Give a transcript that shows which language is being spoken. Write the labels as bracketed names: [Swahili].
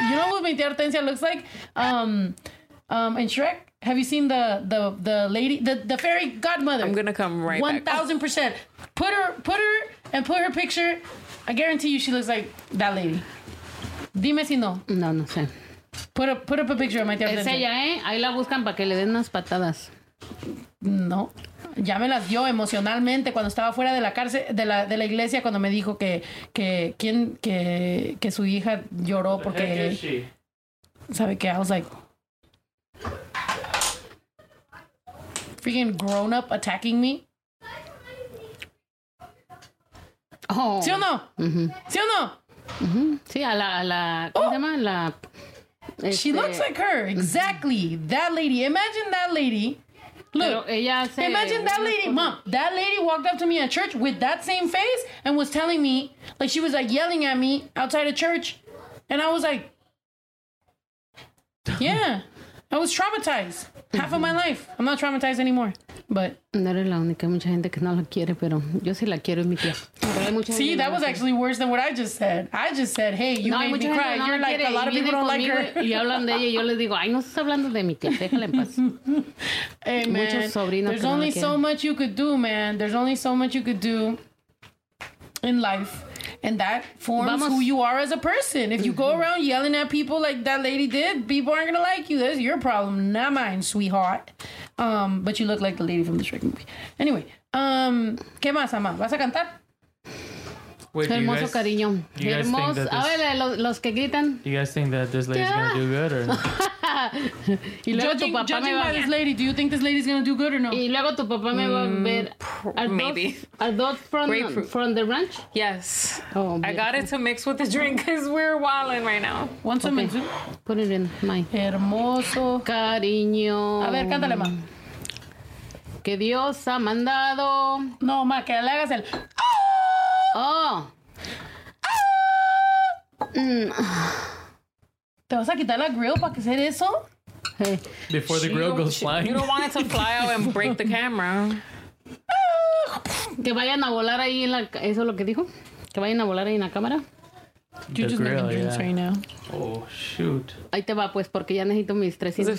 [English] You know what my Tia Hortensia looks like? In Shrek? Have you seen the lady? The fairy godmother. I'm gonna come right 1,000%. Back. 1,000%. Put her and put her picture. I guarantee you she looks like that lady. [Spanish] Dime si no. No sé. [English] Put up a picture of my Tia Hortensia. [Spanish] Es ella, ¿eh? Ahí la buscan para que le den unas patadas. No, ya me las dio emocionalmente cuando estaba fuera de la cárcel, de la iglesia, cuando me dijo que su hija lloró porque sabe que [English] I was like freaking grown up attacking me. Oh. [Spanish] ¿Sí o no? Mm-hmm. ¿Sí o no? Mm-hmm. Sí, a la ¿cómo se llama? La [English] She looks like her, exactly. Mm-hmm. That lady. Imagine that lady. Look, [Spanish] ella hace, [English] imagine that lady, mom. That lady walked up to me at church with that same face and was telling me, like, she was like yelling at me outside of church. And I was like, yeah, I was traumatized half of my life. I'm not traumatized anymore. But. [Spanish] No eres la única, mucha gente que no la quiere, pero yo sí la quiero, mi tía. [English] See, that was actually worse than what I just said. I just said, hey, you made me cry. No, you're like, quiere. A lot of people don't like her. [Spanish] Y hablan de ella y yo les digo, ay, no estás hablando de mi tía, déjala en paz. [English] Hey, man, [Spanish] muchos sobrinos [English] there's only no so much you could do, man. There's only so much you could do in life. And that forms who you are as a person. If you go around yelling at people like that lady did, people aren't going to like you. That's your problem, not mine, sweetheart. But you look like the lady from the Shrek movie. [Spanish] Anyway, ¿qué más, Ama? ¿Vas a cantar? Hermoso cariño. Hermoso. A ver, los que gritan. [English] Do you guys think that this lady's going to do good or no? judging by this lady, do you think this lady's going to do good or no? [Spanish] Y luego tu papá me va a ver. [English] Maybe. Are those from the ranch? Yes. Oh, I got it to mix with the drink because we're wilding right now. Want some mix? Put it in my. [Spanish] Hermoso cariño. A ver, cántale, ma. Que Dios ha mandado. No, ma, que le hagas el. Oh. Mm. ¿Te vas a quitar la grill para hacer eso? [English] Hey. Before the grill goes flying. You don't want it to fly out and break the camera. [Spanish] Que vayan a volar ahí en la... ¿Eso es lo que dijo? Que vayan a volar ahí en la cámara. [English] You're just grill, making drinks right now. Oh, shoot. [Spanish] Ahí te va, pues, porque ya necesito mis 350.